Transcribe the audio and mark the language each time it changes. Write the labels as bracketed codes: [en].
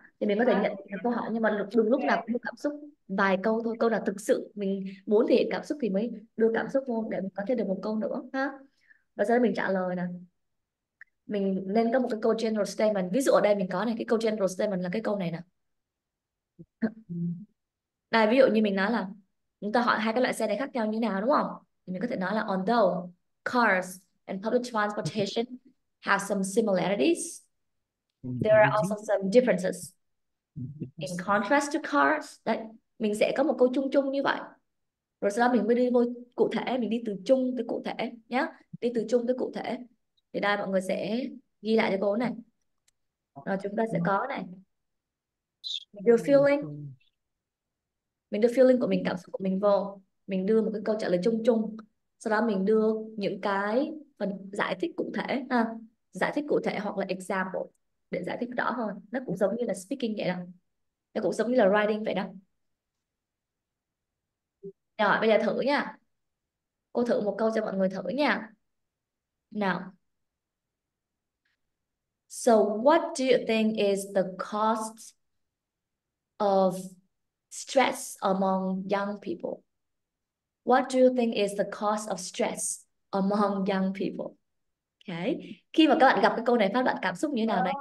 [vi] Thì mình có thể nhận được câu hỏi, nhưng mà đừng lúc nào cũng cảm xúc. Vài câu thôi, câu nào thực sự mình muốn thể hiện cảm xúc thì mới đưa cảm xúc vô để mình có thêm được một câu nữa ha. Và sau đó mình trả lời nè. Mình nên có một cái câu general statement. Ví dụ ở đây mình có này, cái câu general statement là cái câu này nè. Đây, ví dụ như mình nói là chúng ta hỏi hai cái loại xe này khác nhau như nào đúng không? Thì mình có thể nói là [en] although cars and public transportation have some similarities, there are also some differences. In contrast to cars, [vi] đấy, mình sẽ có một câu chung chung như vậy. Rồi sau đó mình mới đi vô cụ thể, mình đi từ chung tới cụ thể nhé. Đi từ chung tới cụ thể. Thì đây mọi người sẽ ghi lại cho cô này. Rồi chúng ta sẽ có này. Mình đưa feeling của mình, cảm xúc của mình vô. Mình đưa một cái câu trả lời chung chung. Sau đó mình đưa những cái phần giải thích cụ thể ha. Giải thích cụ thể hoặc là example để giải thích rõ hơn. Nó cũng giống như là speaking vậy đó. Nó cũng giống như là writing vậy đó. Rồi bây giờ thử nha. Cô thử một câu cho mọi người thử nha. Nào. [en] So what do you think is the cost of stress among young people? What do you think is the cost of stress among young people? Okay. [vi] Khi mà các bạn gặp cái câu này phát bạn cảm xúc như thế nào đấy?